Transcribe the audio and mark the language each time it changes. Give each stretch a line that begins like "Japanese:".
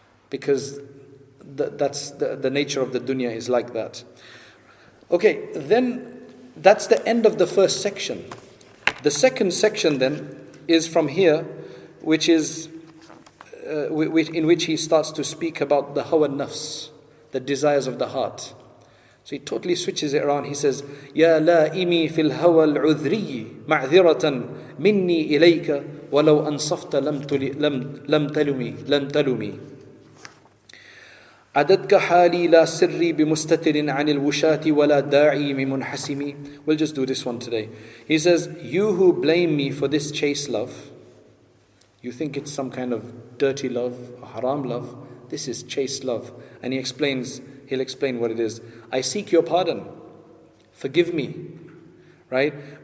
English: Because that's the nature of the dunya is like that. Okay, then that's the end of the first section. The second section then is from here, which is in which he starts to speak about the hawa nafs, the desires of the heart. So he totally switches it around. He says,
Arabic: يَا لَائِمِي فِي الْهَوَى الْعُذْرِيِّ مَعْذِرَةً مِنِّي إِلَيْكَ وَلَوْ أَنصَفْتَ لَمْ تَلُمِي عَدَدْكَ حَالِي لَا سِرِّي بِمُسْتَتِرٍ عَنِ الْوُشَاتِ وَلَا دَاعِي مِمُنْحَسِمِي.
English: We'll just do this one today. He says, you who blame me for this chaste love, you think it's some kind of dirty love, a haram love, this is chaste love. And he'll explain what it is. I seek your pardon. Forgive me. Right?